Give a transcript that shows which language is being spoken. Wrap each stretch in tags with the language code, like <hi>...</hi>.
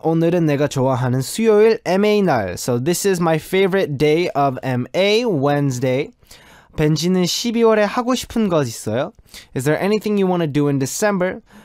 <ko>오늘은 내가 좋아하는 수요일 MA 날.</ko> <en>So this is my favorite day of MA, Wednesday.</en> <ko>벤지는 12월에 하고 싶은 것 있어요?</ko> <en>Is there anything you want to do in December?</en>